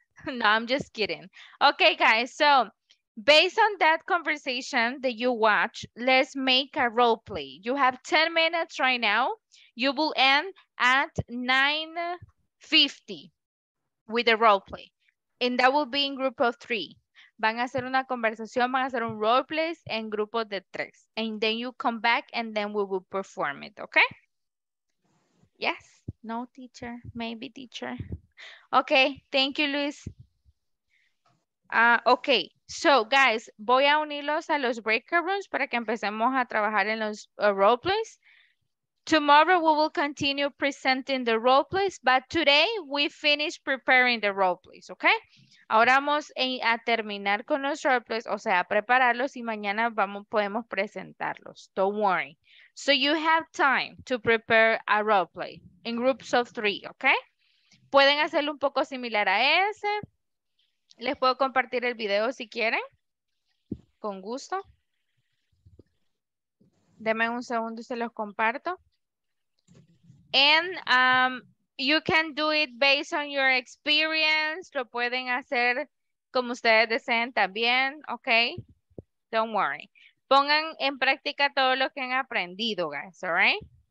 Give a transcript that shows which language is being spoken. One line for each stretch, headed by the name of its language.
English: No, I'm just kidding. Okay, guys, so based on that conversation that you watch, let's make a role play. You have 10 minutes right now. You will end at 9:50 with a role play. And that will be in group of three.
Spanish: Van a hacer una conversación, van a hacer un role play en grupo de tres.
English: And then you come back and then we will perform it, okay? Yes. No, teacher. Maybe teacher. Okay. Thank you, Luis. Okay.
Spanish: So, guys, voy a unirlos a los breakout rooms para que empecemos a trabajar en los role plays.
English: Tomorrow, we will continue presenting the role plays, but today, we finish preparing the role plays, okay?
Spanish: Ahora vamos a terminar con los role plays, o sea, a prepararlos, y mañana podemos presentarlos.
English: Don't worry. So you have time to prepare a role play in groups of three, okay?
Spanish: Pueden hacerlo un poco similar a ese. Les puedo compartir el video si quieren. Con gusto. Deme un segundo y se los comparto.
English: And you can do it based on your experience.
Spanish: Lo pueden hacer como ustedes deseen también, okay?
English: Don't worry.
Spanish: Pongan en práctica todo lo que han aprendido, guys, all right?